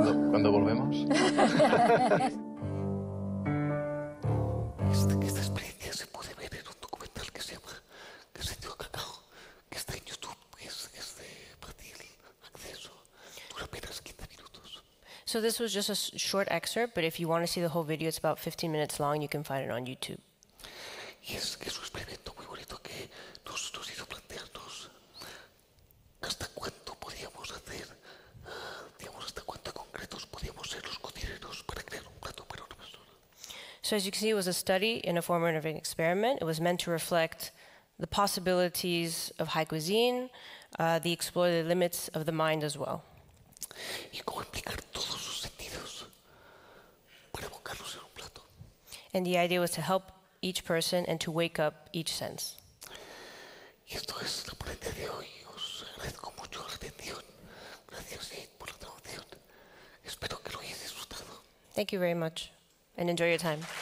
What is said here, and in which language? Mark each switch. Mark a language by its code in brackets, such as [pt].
[es] ¿Cuándo volvemos? Esta experiencia se puede ver en un documental que se llama ¿Qué se dio cacao? Que está en YouTube, que es de fácil acceso. Dura apenas 15 minutos. [en] So this was just a short excerpt, but if you want to see the whole video, it's about 15 minutes long, you can find it on YouTube. [es] Y es un experimento muy bonito que nos hizo plantearnos hasta cuánto podíamos hacer, digamos, hasta cuánto concretos podíamos ser los cocineros para crear un plato para una persona. [en] So as you can see, it was a study in a former innovative experiment. It was meant to reflect the possibilities of high cuisine, the explore the limits of the mind as well. [es] Y cómo implicar todos sus sentidos para evocarlos en un plato. [en] And the idea was to help each person and to wake up each sense. [es] Y esto es la ponencia de hoy. Os agradezco mucho la atención. Gracias por la traducción. Espero que lo hayáis disfrutado. [en] Thank you very much. And enjoy your time.